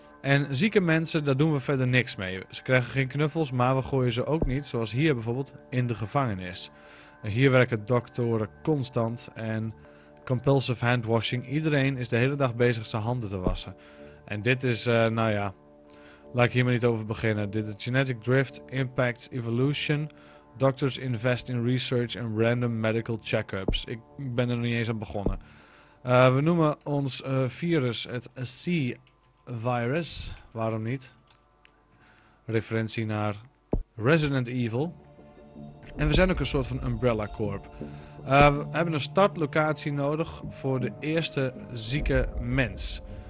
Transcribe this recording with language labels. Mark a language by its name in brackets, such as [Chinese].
[Dutch] En zieke mensen, daar doen we verder niks mee. Ze krijgen geen knuffels, maar we gooien ze ook niet, zoals hier bijvoorbeeld, in de gevangenis. Hier werken doktoren constant en [English] compulsive handwashing. [Dutch] Iedereen is de hele dag bezig zijn handen te wassen. En dit is, laat ik hier maar niet over beginnen. Dit is Genetic Drift Impacts Evolution. [English] Doctors invest in research and random medical checkups. [Dutch] Ik ben er nog niet eens aan begonnen. We noemen ons virus het C-virus. Waarom niet? Referentie naar Resident Evil. En we zijn ook een soort van Umbrella Corp. We hebben een startlocatie nodig voor de eerste zieke mens.